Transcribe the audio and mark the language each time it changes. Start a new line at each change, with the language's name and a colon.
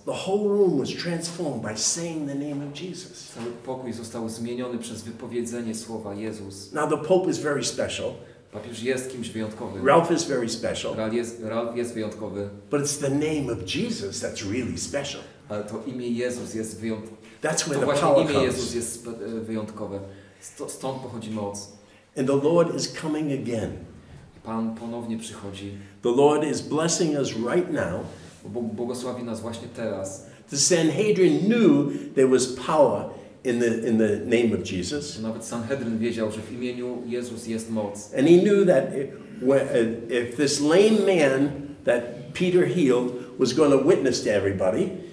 English: The whole room was transformed by saying the name of Jesus.
Polish: Cały pokój został zmieniony przez wypowiedzenie słowa Jezus.
English: Now the Pope is very special.
Polish: Papież jest kimś wyjątkowym.
English: Ralph is very special.
Polish: Ralph jest wyjątkowy.
English: But it's the name of Jesus that's really special.
Polish: Ale to imię Jezus jest wyjątkowe.
English: That's where
Polish: to
English: the power
Polish: imię
English: comes.
Polish: Jezus jest wyjątkowe. Stąd pochodzi moc.
English: And the Lord is coming again.
Polish: Pan ponownie przychodzi.
English: The Lord is blessing us right now.
Polish: Bóg błogosławi nas właśnie teraz.
English: The Sanhedrin knew there was power in the name of Jesus.
Polish: Nawet Sanhedrin wiedział, że w imieniu Jezus jest moc.
English: And he knew that if this lame man that Peter healed was going to witness to everybody.